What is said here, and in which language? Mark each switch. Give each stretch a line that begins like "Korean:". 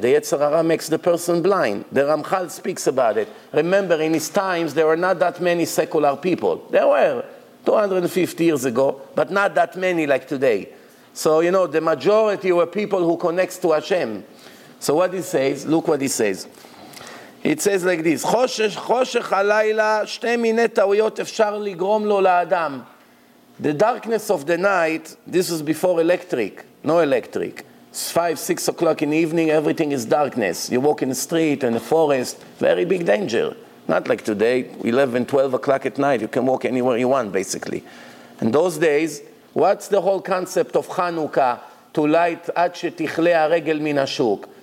English: The Yetzer Hara makes the person blind. The Ramchal speaks about it. Remember, in his times, there were not that many secular people. There were 250 years ago, but not that many like today. So, you know, the majority were people who connect to Hashem. So what he says, look what he says. It says like this,
Hebrew: חושך הלילה, שתי מיני טעויות אפשר לגרום לו לאדם.
English: The darkness of the night, this was before electric, no electric. It's 5-6 o'clock in the evening, everything is darkness. You walk in the street, in the forest, very big danger. Not like today, 11-12 o'clock at night, you can walk anywhere you want, basically. In those days, what's the whole concept of Chanukah, to light
Hebrew: עד שתכלה הרגל מן השוק?